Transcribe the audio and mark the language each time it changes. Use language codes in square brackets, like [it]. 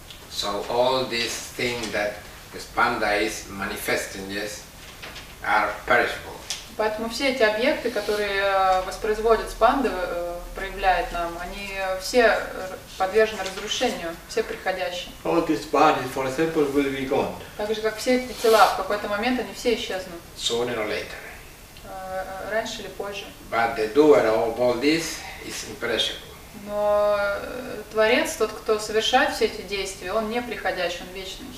[en] So all these things that the spanda is manifesting, yes, are perishable. [ru] Поэтому все эти объекты, которые воспроизводят спанды, проявляют нам, они все подвержены разрушению, все приходящие. [en] All this body, for example, will be gone. [ru] Так же, как все эти тела, в какой-то момент они все исчезнут. [en] Sooner or later. [ru] Раньше или позже. [en] But the doer of all this is imperishable. [ru] Но творец, тот, кто совершает все эти действия, он не приходящий, он вечный.